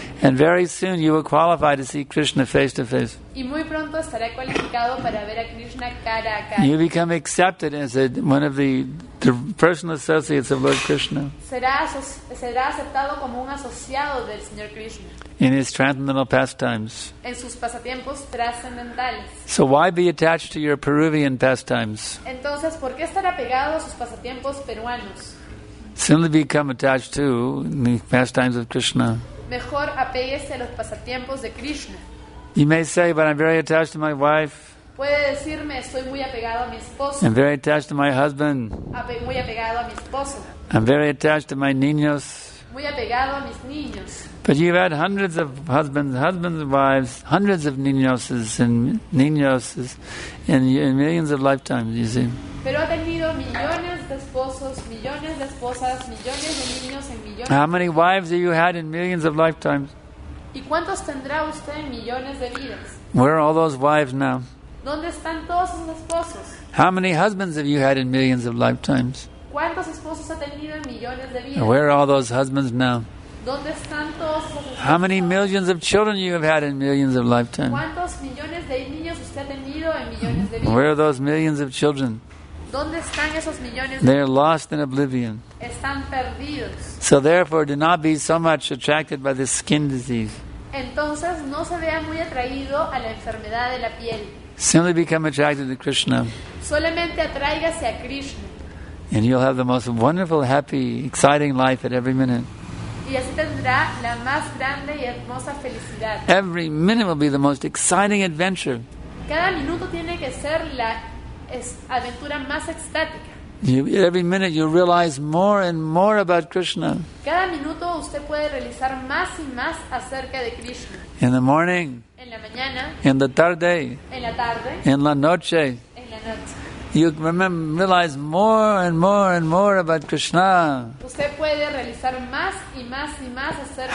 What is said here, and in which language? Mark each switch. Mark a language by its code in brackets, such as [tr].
[en] And very soon you will qualify to see Krishna face to face. [es] Y muy pronto estará cualificado para ver a Krishna cara a cara. [en] You become accepted as one of the personal associates of Lord Krishna. [es] Será aceptado como un asociado del Señor Krishna. [en] In his transcendental pastimes. [es] En sus pasatiempos trascendentales. [en] So why be attached to your Peruvian pastimes? [es] Entonces, ¿por qué estar apegado a sus pasatiempos peruanos? [en] Simply become attached to the pastimes of Krishna. [es] Mejor apéguese a los pasatiempos de Krishna. [en] You may say, but I'm very attached to my wife. [es] Puede decirme, estoy muy apegado a mi esposo. [en] I'm very attached to my husband. [es] Muy apegado a mi esposo. [en] I'm very attached to my [es] niños. Muy apegado a mis niños. [en] But you've had hundreds of husbands, wives, hundreds of [es] niños [en] in millions of lifetimes, you see. [es] Pero ha tenido millones de esposos, millones de esposas, millones de niños en millones. [en] How many wives have you had in millions of lifetimes? [es] ¿Y cuántos tendrá usted en millones de vidas? [en] Where are all those wives now? [es] ¿Dónde están todos sus esposos? [en] How many husbands have you had in millions of lifetimes? [es] ¿Cuántos esposos ha tenido en millones de vidas? [en] Where are all those husbands now? [es] ¿Dónde están todos sus esposos? [en] How many millions of children you have had in millions of lifetimes? [es] ¿Cuántos millones de niños usted ha tenido en millones de vidas? [en] Where are those millions of children? [es] ¿Dónde están esos millones? [en] They are lost in oblivion. [es] Están perdidos. [en] So therefore, do not be so much attracted by the skin disease. [es] Entonces, no se vea muy atraído a la enfermedad de la piel. [en] Simply become attracted to Krishna. [es] Solamente atráigase a Krishna. [en] And you'll have the most wonderful, happy, exciting life at every minute. [es] Y así tendrá la más grande y hermosa felicidad. [en] Every minute will be the most exciting adventure. [es] Cada minuto tiene que ser la aventura más extática. [en] Every minute you realize more and more about Krishna. [es] Cada minuto usted puede realizar más y más acerca de Krishna. [en] In the morning. [es] En la mañana. [en] In the [es] tarde. En la tarde. In la noche. En la noche. [en] You realize more and more and more about Krishna. [es] Usted puede realizar más y más y más acerca.